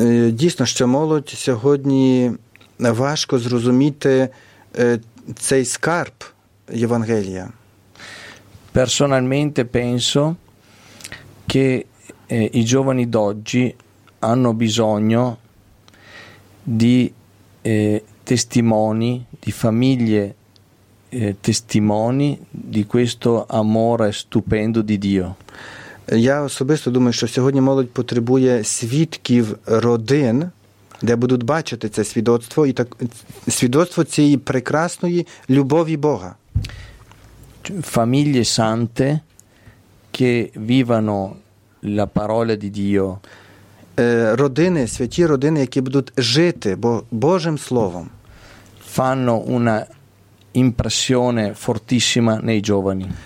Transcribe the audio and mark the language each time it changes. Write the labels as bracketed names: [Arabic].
[Ukrainian] Дійсно, що молодь сьогодні важко зрозуміти цей скарб Євангелія. [Italian] Personalmente penso che i giovani d'oggi hanno bisogno di testimoni, di famiglie testimoni di questo amore stupendo di Dio. [Ukrainian] Я особисто думаю, що сьогодні молодь потребує свідків родин, де будуть бачити це свідоцтво і так свідоцтво цієї прекрасної любові Бога. [Italian] Famiglie sante che vivano la parola di Dio. [Ukrainian] Родини, святі родини, які будуть жити Божим словом. [Italian] Fanno una impressione fortissima nei giovani.